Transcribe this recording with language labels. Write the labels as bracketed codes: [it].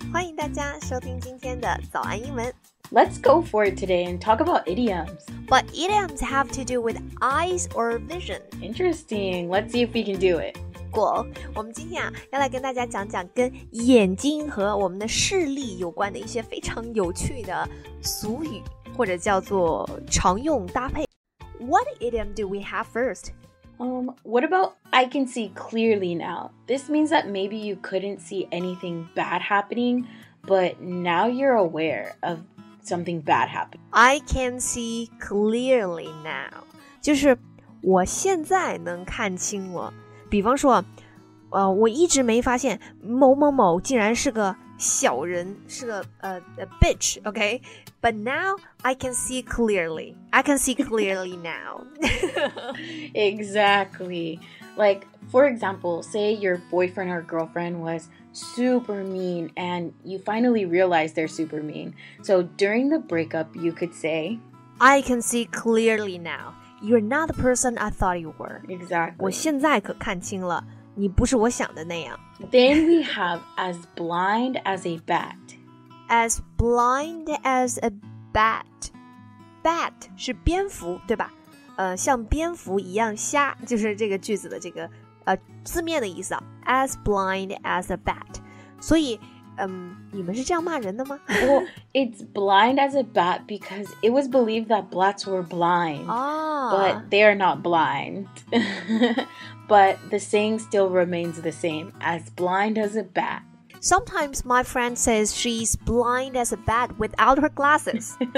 [zh] 欢迎大家收听今天的早安英文。 [en] Let's go for it today and talk about idioms. But idioms have to do with eyes or vision. Interesting, let's see if we can do it. Cool. [zh] 我们今天啊，要来跟大家讲讲跟眼睛和我们的视力有关的一些非常有趣的俗语，或者叫做常用搭配。 [en] What idiom do we have first? What about I can see clearly now? This means that maybe you couldn't see anything bad happening, but now you're aware of something bad happening. I can see clearly now. [zh] 就是我现在能看清我。比方说，我一直没发现某某某竟然是个小人，是个 [en] a bitch, okay? But now I can see clearly. I can see clearly now. Exactly. Like, for example, say your boyfriend or girlfriend was super mean and you finally realize they're super mean. So during the breakup, you could say, I can see clearly now. You're not the person I thought you were. Exactly. [zh] 我现在可看清了你不是我想的那样。 [en] Then we have as blind as a bat. As blind as a bat. [zh] Bat 是蝙蝠对吧，像蝙蝠一样瞎，就是这个句子的这个字面的意思啊。 [en] As blind as a bat. [zh] 所以你们是这样骂人的吗？ [en] Well, it's blind as a bat because it was believed that bats were blind. But they are not blind. But the saying still remains the same, as blind as a bat. Sometimes my friend says she's blind as a bat without her glasses.